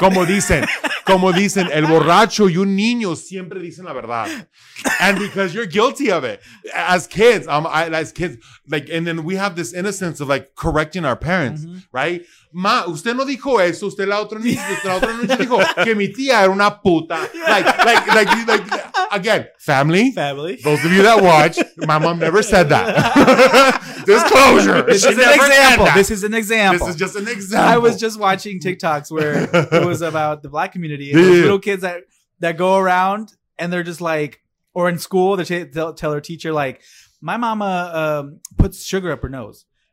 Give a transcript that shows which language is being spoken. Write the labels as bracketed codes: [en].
[es] como dicen, el borracho y un niño siempre dicen la verdad. [en] And because you're guilty of it. As kids, like, and then we have this innocence of, like, correcting our parents, mm-hmm. [es] right? Ma, usted no dijo eso. Usted la otra noche dijo que mi tía era una puta. [en] Yeah. Like, again, family. Family. Those of you that watch, my mom never said that. Disclosure. This is an example. This is just an example. I was just watching TikToks where it was about the black community. And those little kids that go around and they're just like, or in school, they'll tell their teacher, like, my mama puts sugar up her nose.